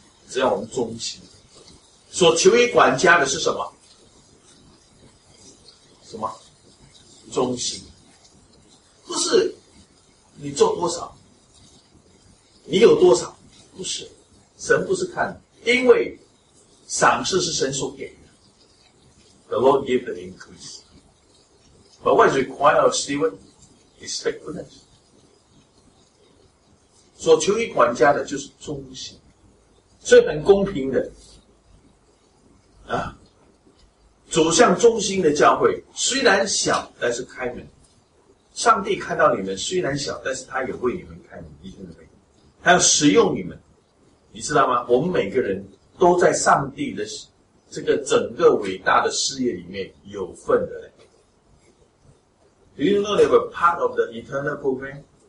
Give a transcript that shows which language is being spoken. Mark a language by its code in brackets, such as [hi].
[zh] 只要我们忠心，所求于管家的是什么？什么？忠心，不是你做多少，你有多少，不是，神不是看，因为赏赐是神所给的。 [en] The Lord give the increase, but what is required of Stephen is faithfulness. [zh] 所求于管家的就是忠心。所以很公平的啊，主向中心的教会虽然小但是开门，上帝看到你们虽然小但是他也为你们开门，你听到没？他要使用你们，你知道吗？我们每个人都在上帝的这个整个伟大的事业里面有份的嘞。 [en] Do you know they were part of the eternal program?